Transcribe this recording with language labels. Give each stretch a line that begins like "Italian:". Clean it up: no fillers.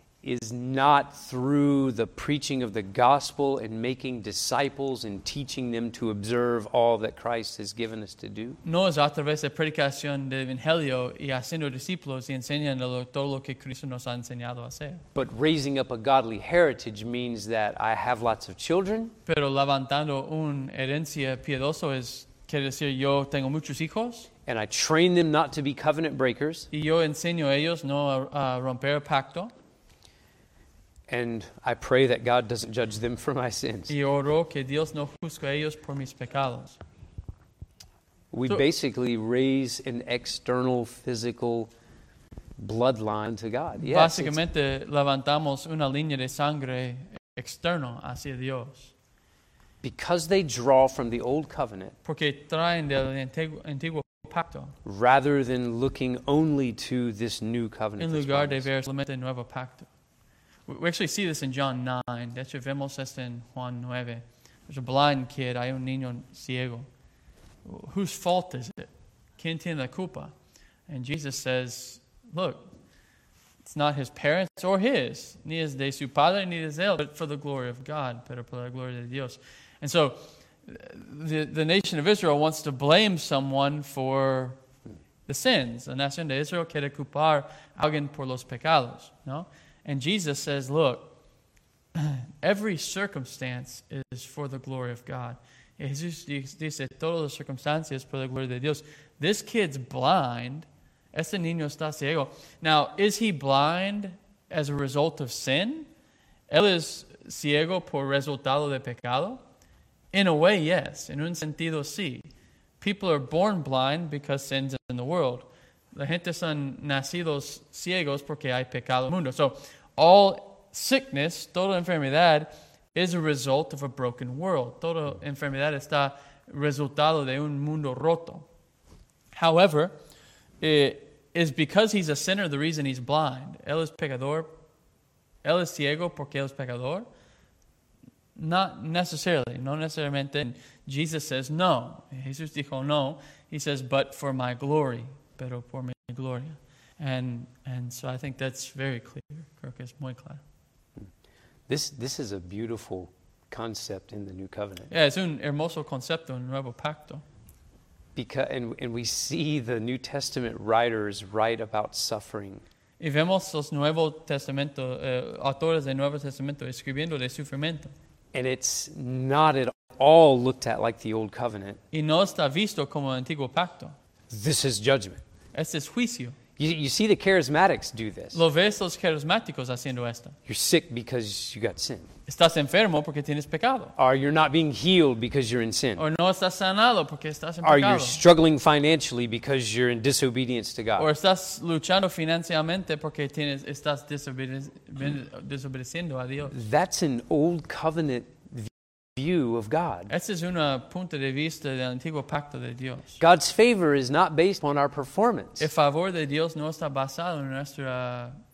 English: is not through the preaching of the gospel and making disciples and teaching them to observe all that Christ has given us to do.
Spanish: No es a través de predicación del evangelio y haciendo discípulos y enseñando todo lo que Cristo nos ha enseñado a hacer.
English: But raising up a godly heritage means that I have lots of children.
Spanish: Pero levantando una herencia piedosa es quiere decir yo tengo muchos hijos.
English: And I train them not to be covenant breakers.
Spanish: Y yo enseño a ellos no a romper el pacto.
English: And I pray that God doesn't judge them for my sins.
Spanish: Y oro que Dios no juzgue a ellos por mis pecados.
English: We basically raise an external physical bloodline to God. Yes,
Spanish: básicamente levantamos una línea de sangre externa hacia Dios.
English: Because they draw from the old covenant.
Spanish: Porque traen del antiguo pacto.
English: Rather than looking only to this new covenant.
Spanish: En lugar de ver solamente el nuevo pacto.
English: We actually see this in John 9.
Spanish: De hecho, vemos esto en Juan 9.
English: There's a blind kid.
Spanish: Hay un niño ciego.
English: Whose fault is it?
Spanish: ¿Quién tiene la culpa?
English: And Jesus says, look, it's not his parents or his.
Spanish: Ni es de su padre ni de él.
English: But for the glory of God.
Spanish: Pero por la gloria de Dios.
English: And so, the nation of Israel wants to blame someone for the sins.
Spanish: La nación de Israel quiere culpar alguien por los pecados. No?
English: And Jesus says, look, every circumstance is for the glory of God.
Spanish: Y Jesús dice, todas las circunstancias por la gloria de Dios.
English: This kid's blind.
Spanish: Este niño está ciego.
English: Now, is he blind as a result of sin?
Spanish: Él es ciego por resultado de pecado?
English: In a way, yes.
Spanish: En un sentido, sí.
English: People are born blind because sin's in the world.
Spanish: La gente son nacidos ciegos porque hay pecado en el mundo.
English: So, all sickness,
Spanish: toda enfermedad,
English: is a result of a broken world.
Spanish: Toda enfermedad está resultado de un mundo roto.
English: However, it is because he's a sinner the reason he's blind.
Spanish: Él es pecador. Él es ciego porque él es pecador.
English: Not necessarily,
Spanish: no necesariamente.
English: And Jesus says, no.
Spanish: Jesús dijo, no.
English: He says, but for my glory,
Spanish: pero por mi gloria.
English: And so I think that's very clear.
Spanish: Creo que es muy claro.
English: This is a beautiful concept in the New Covenant.
Spanish: Yeah, es un hermoso concepto en el Nuevo Pacto.
English: Because, and we see the New Testament writers write about suffering.
Spanish: Y vemos los Nuevo Testamento, autores del Nuevo Testamento escribiendo de sufrimiento.
English: And it's not at all looked at like the old covenant.
Spanish: Y no está visto como el antiguo pacto.
English: This is judgment.
Spanish: Este es juicio.
English: You see the charismatics do this.
Spanish: Lo ves los carismáticos haciendo esto.
English: You're sick because you got sin.
Spanish: Estás enfermo porque tienes pecado.
English: Or you're not being healed because you're in sin.
Spanish: O no estás sanado porque estás en
English: or
Spanish: pecado.
English: Or you're struggling financially because you're in disobedience to God.
Spanish: O estás luchando financieramente porque estás desobedeciendo a Dios.
English: That's an old covenant view of God.
Spanish: Esa es una punto de vista del antiguo pacto de Dios.
English: God's favor is not based on our performance.
Spanish: El favor de Dios no está basado en nuestra